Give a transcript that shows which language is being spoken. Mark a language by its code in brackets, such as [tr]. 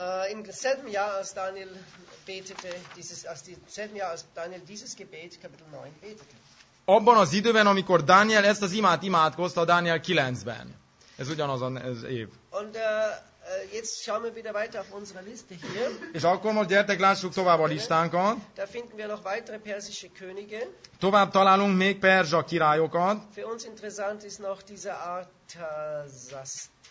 [de] Im selben Jahr, als Daniel betete, Gebet, Kapitel 9 betete. [hu] Abban az időben, amikor Daniel ezt az imát imádkozta, Daniel 9-ben. Ez ugyanaz az év. [de] Und jetzt schauen wir wieder weiter auf unsere Liste hier. [hu] És akkor most gyertek, lássuk tovább a listánkat. [de] Da finden wir noch weitere persische Könige. [hu] Tovább találunk még perzsa királyokat. [de] Für uns interessant ist noch diese Artaxerxes.